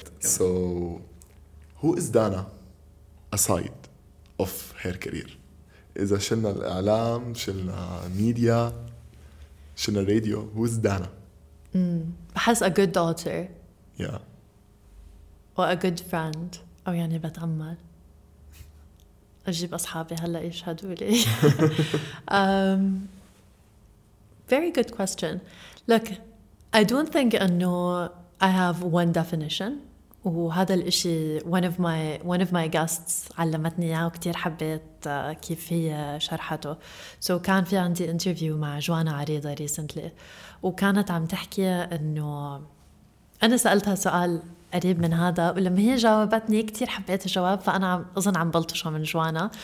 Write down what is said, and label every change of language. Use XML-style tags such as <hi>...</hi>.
<en>So who is Dana aside of her career؟</en> <ar>إذا شلنا الإعلام شلنا ميديا شلنا الراديو</ar> <en>who is Dana؟ بحس a good daughter. Yeah.</en> <ar>و</ar> <en>a good friend</en> <ar>أو يعني بتأمل أجيب أصحابي هلأ يشهدوا لي.</ar> <en>very good question. Look, I don't think أنه I have one definition.</en> <ar>وهذا الإشي</ar> <en>one of my guests</en> <ar>علمتني إياه وكتير حبيت كيف هي شرحته. So كان في عندي interview مع جوانا عريضة recently وكانت عم تحكي أنه أنا سألتها سؤال قريب من هذا ولما هي جاوبتني كتير حبيت الجواب فأنا أظن عم بلطشها من جوانا.</ar>